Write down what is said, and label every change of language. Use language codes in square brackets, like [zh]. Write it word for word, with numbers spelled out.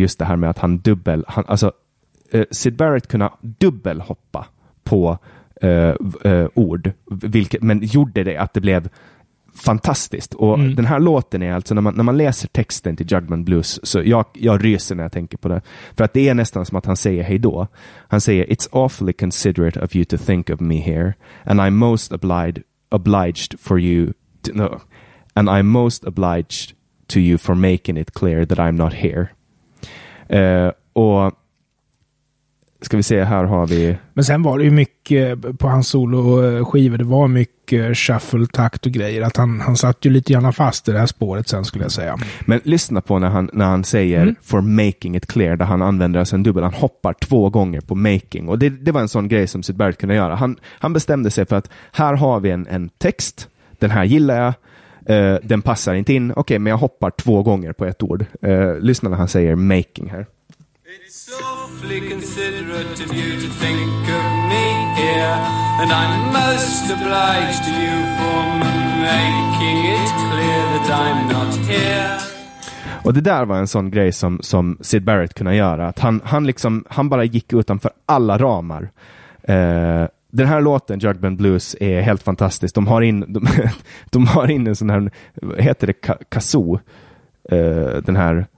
[sv] Just det här med att han dubbel... Han, alltså, eh, Syd Barrett kunde dubbelhoppa på eh, eh, ord. Vilket, men gjorde det att det blev... fantastiskt. Och mm. den här låten är alltså när man, när man läser texten till Jug Band Blues så jag, jag ryser när jag tänker på det. För att det är nästan som att han säger hej då. Han säger [en] "It's awfully considerate of you to think of me here and I'm most obliged, obliged for you to, no, and I'm most obliged to you for making it clear that I'm not here." [sv] Uh, och ska vi se, här har vi... Men sen var det ju mycket på hans soloskivor. Det var mycket shuffle-takt och grejer. Att han, han satt ju lite gärna fast i det här spåret sen, skulle jag säga. Men lyssna på när han, när han säger mm. [en] "for making it clear", [sv] där han använder alltså en dubbel. Han hoppar två gånger på making. Och det, det var en sån grej som Syd Barrett kunde göra. Han, han bestämde sig för att här har vi en, en text. Den här gillar jag. Uh, den passar inte in. Okej, okay, men jag hoppar två gånger på ett ord. Uh, lyssna när han säger making här. [en] "It's awfully considerate of you to think of me here, and I'm most obliged to you for making it clear that I'm not here." [sv] Och det där var en sån grej som, som Syd Barrett kunde göra. Att han, han, liksom, han bara gick utanför alla ramar. Eh, den här låten, Jug Band Blues, är helt fantastisk. De har in, de, de har in en sån här, heter det kazoo? Eh, den här...